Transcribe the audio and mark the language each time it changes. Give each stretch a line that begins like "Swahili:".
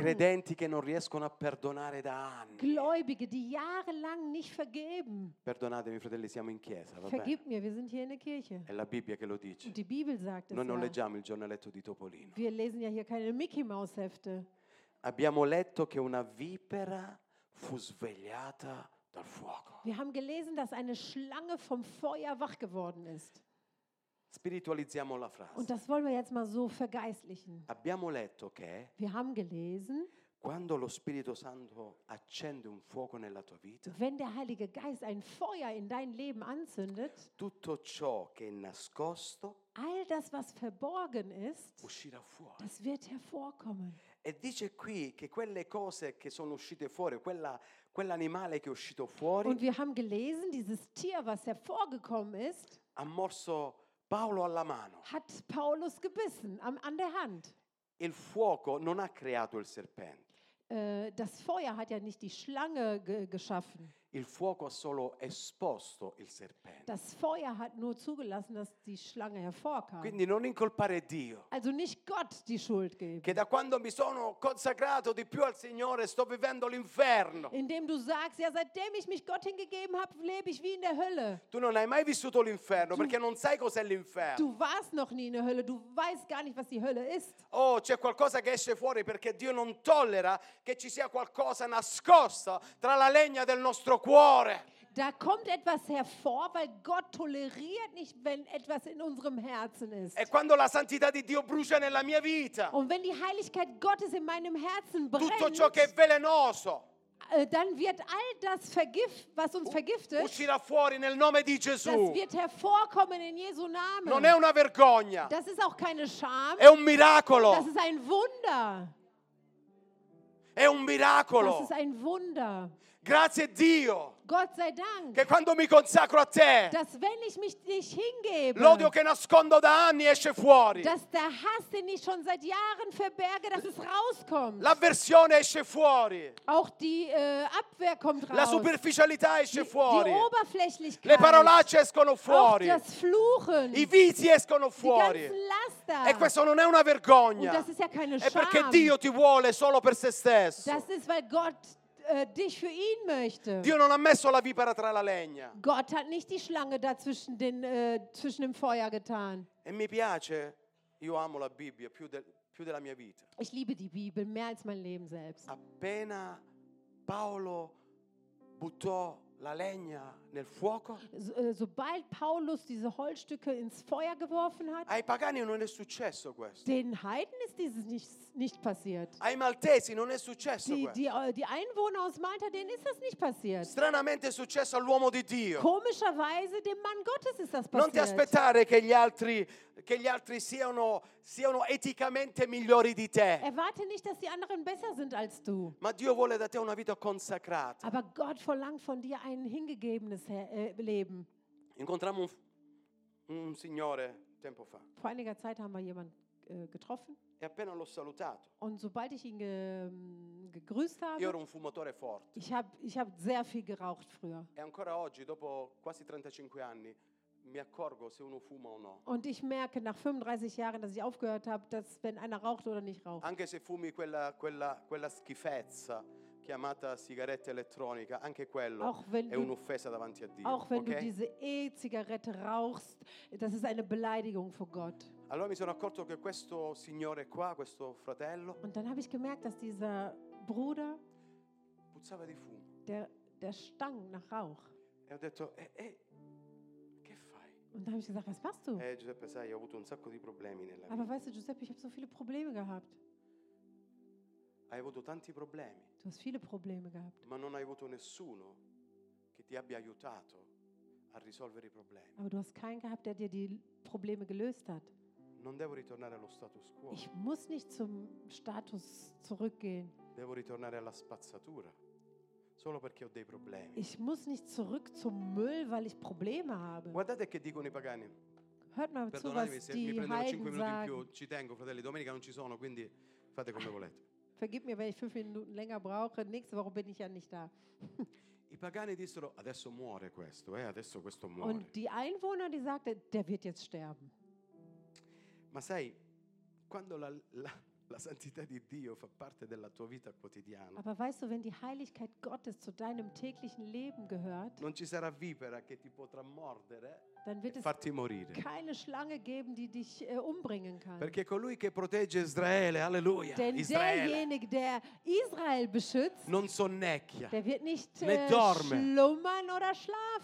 Italian: Credenti che non riescono a perdonare da anni.
German: Gläubige, die jahrelang nicht vergeben.
Italian: Perdonatemi, fratelli, siamo in chiesa, va
German: Vergib
Italian: bene.
German: Mir, wir sind hier in der Kirche.
Italian: È la Bibbia che lo dice.
German: Die Bibel sagt
Italian: Noi
German: es
Italian: non
German: ja.
Italian: leggiamo il giornaletto di Topolino.
German: Wir lesen ja hier keine Mickey Mouse Hefte.
Italian: Abbiamo letto che una vipera fu svegliata.
German: Wir haben gelesen, dass eine Schlange vom Feuer wach geworden ist.
Italian: Spiritualizziamo la frase.
German: Und das wollen wir jetzt mal so vergeistlichen.
Italian: Abbiamo letto che
German: wir haben gelesen,
Italian: quando lo Spirito Santo accende un fuoco nella tua vita,
German: wenn der Heilige Geist ein Feuer in dein Leben anzündet,
Italian: tutto ciò che è nascosto,
German: all das, was verborgen ist,
Italian: uscirà fuori.
German: Das wird hervorkommen.
Italian: E dice qui che quelle cose che sono uscite fuori, quell'animale che è uscito fuori,
German: und wir haben gelesen, dieses Tier, was hervorgekommen ist,
Italian: ha morso Paolo alla mano,
German: hat Paulus gebissen, an der Hand.
Italian: Il fuoco non ha creato il serpente.
German: Das Feuer hat ja nicht die Schlange geschaffen.
Italian: Il fuoco ha solo esposto il serpente.
German: Das Feuer hat nur zugelassen, dass die Schlange hervorkam.
Italian: Quindi non incolpare Dio.
German: Also nicht Gott die Schuld geben.
Italian: Che da quando mi sono consacrato di più al Signore sto vivendo l'inferno.
German: Indem du sagst, ja seitdem ich mich Gott hingegeben habe, lebe ich wie in der Hölle.
Italian: Tu non hai mai vissuto l'inferno, perché non sai cos'è l'inferno.
German: Du warst noch nie in der Hölle, du weißt gar nicht, was die Hölle ist.
Italian: Oh, c'è qualcosa che esce fuori perché Dio non tollera che ci sia qualcosa nascosto tra la legna del nostro cuore.
German: Da kommt etwas hervor, weil Gott toleriert nicht, wenn etwas in unserem Herzen ist.
Italian: E quando la santità di Dio brucia nella mia vita.
German: Und wenn die Heiligkeit Gottes in meinem Herzen brennt.
Italian: Tutto ciò che è velenoso.
German: dann wird all das Vergift, was uns vergiftet,
Italian: uscirà fuori nel nome di Gesù.
German: Das wird hervorkommen in Jesu Namen.
Italian: Non è una vergogna.
German: Das ist auch keine Scham.
Italian: È un miracolo.
German: Das ist ein Wunder.
Italian: È un miracolo.
German: Das ist ein Wunder.
Italian: Grazie a Dio.
German: Gott sei Dank.
Italian: Che quando mi consacro a te,
German: dass wenn ich mich nicht hingebe,
Italian: l'odio che nascondo da anni esce fuori.
German: Dass der Hass, den ich schon seit Jahren verberge, dass es rauskommt.
Italian: L'avversione esce fuori.
German: Auch die Abwehr kommt raus.
Italian: La superficialità esce fuori.
German: Die Oberflächlichkeit.
Italian: Le parolacce escono fuori.
German: Auch das Fluchen.
Italian: I vizi escono fuori.
German: Die ganzen Laster.
Italian: E questo non è una vergogna.
German: Und das ist ja keine Scham.
Italian: È perché Dio ti vuole solo per se stesso.
German: Das ist, weil Gott dich für ihn möchte.
Italian: Dio non ha messo la vipera tra la legna.
German: Gott hat nicht die Schlange dazwischen den zwischen dem Feuer getan.
Italian: E mi piace, io amo la Bibbia più della mia vita.
German: Ich liebe die Bibel mehr als mein Leben selbst.
Italian: Appena Paolo buttò la legna nel fuoco,
German: sobald Paulus diese Holzstücke ins Feuer geworfen hat,
Italian: ai pagani non è successo questo.
German: Den Heiden ist dieses nicht passiert.
Italian: Ai maltesi non è successo questo.
German: Die Einwohner aus Malta, denen ist das nicht passiert.
Italian: Stranamente è successo all'uomo di Dio.
German: Komischerweise dem Mann Gottes ist das passiert.
Italian: Non ti aspettare che gli altri siano eticamente migliori di te.
German: Erwarte nicht, dass die anderen besser sind als du.
Italian: Ma Dio vuole da te una vita consacrata.
German: Aber Gott verlangt von dir ein hingegebenes Leben.
Italian: Incontrammo un signore tempo fa.
German: Vor einiger Zeit haben wir jemanden getroffen.
Italian: E appena l'ho salutato.
German: Und sobald ich ihn gegrüßt habe.
Italian: Io ero un fumatore forte.
German: Ich hab sehr viel geraucht früher.
Italian: E ancora oggi, dopo quasi 35 anni, mi accorgo se uno fuma o no.
German: Und ich merke nach 35 Jahren, dass ich aufgehört habe, dass wenn einer raucht oder nicht raucht.
Italian: Anche se fumi quella schifezza chiamata sigaretta elettronica, anche quello è un'offesa davanti a Dio.
German: Auch wenn du diese E-Zigarette rauchst, das ist eine Beleidigung vor Gott.
Italian: Allora mi sono accorto che questo signore qua, questo fratello,
German: und dann habe ich gemerkt, dass dieser Bruder
Italian: puzzava di fumo.
German: Der stank nach Rauch.
Italian: E ho detto, che fai?
German: Und dann habe ich gesagt, was machst du?
Italian: Giuseppe, sai, ho avuto un sacco di problemi nella vita.
German: Aber weißt du, Giuseppe, ich habe so viele Probleme gehabt.
Italian: Hai avuto tanti problemi.
German: Du hast viele Probleme gehabt.
Italian: Ma non hai avuto nessuno che ti abbia aiutato a risolvere i problemi.
German: Aber du hast keinen gehabt, der dir die Probleme gelöst hat.
Italian: Non devo ritornare allo status quo.
German: Ich muss nicht zum Status zurückgehen.
Italian: Devo ritornare alla spazzatura. Solo perché ho dei problemi.
German: Ich muss nicht zurück zum Müll, weil ich Probleme habe.
Italian: Guardate che dicono i pagani.
German: Hört mal zu, was die Heiden sagen.
Italian: Ci tengo, fratelli. Domenica non ci sono, quindi fate come volete.
German: Vergib mir, wenn ich 5 Minuten länger brauche. Nächste Woche bin ich ja nicht da.
Italian: I pagani dissero, adesso muore questo, adesso questo muore.
German: Und die Einwohner, die sagten, der wird jetzt sterben.
Italian: Ma sai, quando la santità di Dio fa parte della tua vita quotidiana.
German: Aber weißt du, wenn die Heiligkeit Gottes zu deinem täglichen Leben gehört?
Italian: Non ci sarà vipera che ti potrà mordere.
German: Dann wird es
Italian: farti morire.
German: Keine Schlange geben, die dich umbringen kann.
Italian: Perché colui che protegge Israele, alleluia,
German: denn
Italian: Israele,
German: derjenige, der Israel beschützt,
Italian: non sonnecchia,
German: der wird nicht
Italian: né dorme.
German: Schlummern oder schlafen.